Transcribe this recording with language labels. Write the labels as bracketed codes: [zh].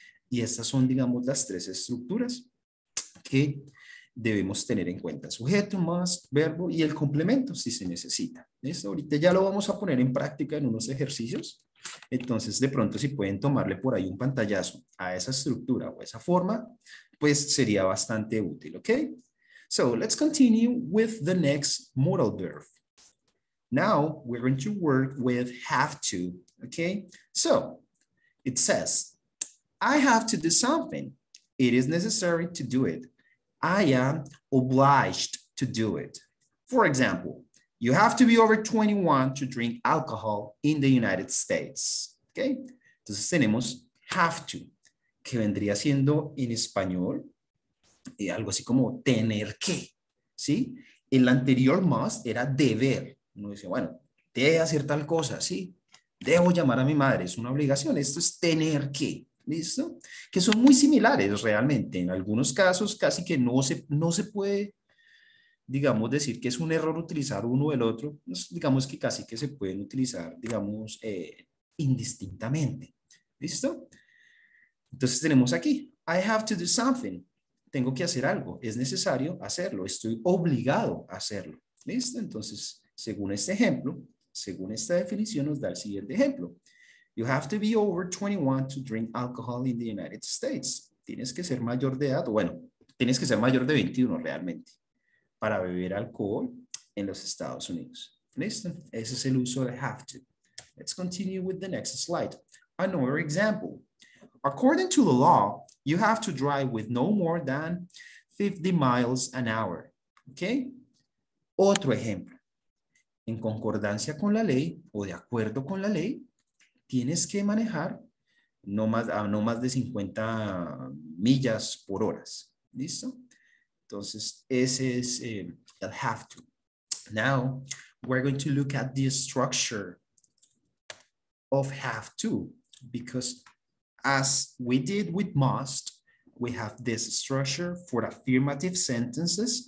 [es] Y estas son, digamos, las tres estructuras que debemos tener en cuenta. Sujeto, must, verbo y el complemento si se necesita. Eso ahorita ya lo vamos a poner en práctica en unos ejercicios. Entonces, de pronto, si pueden tomarle por ahí un pantallazo a esa estructura o esa forma, pues sería bastante útil, ¿ok? [en] So, let's continue with the next modal verb. Now, we're going to work with have to, ¿ok? So, it says, I have to do something. It is necessary to do it. I am obliged to do it. For example, you have to be over 21 to drink alcohol in the United States. Okay? [es] Entonces tenemos have to, que vendría siendo en español algo así como tener que. ¿Sí? El anterior must era deber. Uno dice, bueno, debo hacer tal cosa, ¿sí? Debo llamar a mi madre, es una obligación. Esto es tener que. ¿Listo? Que son muy similares realmente. En algunos casos casi que no se puede, digamos, decir que es un error utilizar uno o el otro. Digamos que casi que se pueden utilizar, digamos, indistintamente. ¿Listo? Entonces tenemos aquí, [en] I have to do something. [es] Tengo que hacer algo. Es necesario hacerlo. Estoy obligado a hacerlo. ¿Listo? Entonces, según este ejemplo, según esta definición, nos da el siguiente ejemplo. [en] You have to be over 21 to drink alcohol in the United States. [es] Tienes que ser mayor de edad, bueno, tienes que ser mayor de 21 realmente para beber alcohol en los Estados Unidos. ¿Listo? Ese es el uso de have to. [en] Let's continue with the next slide. Another example. According to the law, you have to drive with no more than 50 miles an hour. [es] Okay? Otro ejemplo. En concordancia con la ley o de acuerdo con la ley, tienes que manejar no más de 50 millas por hora. ¿Listo? Entonces, ese es el have to. [en] Now, we're going to look at the structure of have to, because as we did with must, we have this structure for affirmative sentences.